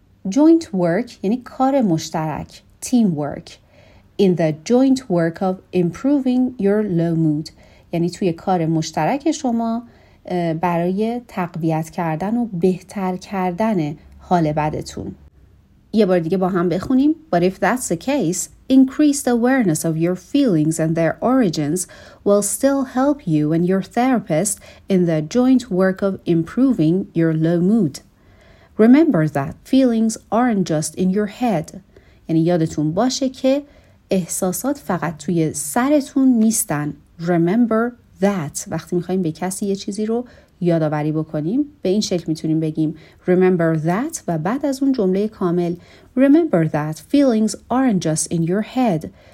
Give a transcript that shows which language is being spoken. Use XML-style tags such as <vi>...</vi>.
<en>joint work</en> <fa>یعنی کار مشترک،</fa> <en>team work. In the joint work of improving your low mood</en> <fa>یعنی توی کار مشترک شما برای تقویت کردن و بهتر کردن حال بدتون. یه بار دیگه با هم بخونیم.</fa> <en>But if that's the case, increased awareness of your feelings and their origins will still help you and your therapist in the joint work of improving your low mood. Remember that feelings aren't just in your head.</en> <fa>یعنی یادتون باشه که احساسات فقط توی سرتون نیستن.</fa> <en>Remember that.</en> <fa>وقتی میخواییم به کسی یه چیزی رو یادآوری بکنیم به این شکل میتونیم بگیم Remember that و بعد از اون جمله کامل</fa> <en>Remember that feelings aren't just in your head.</en>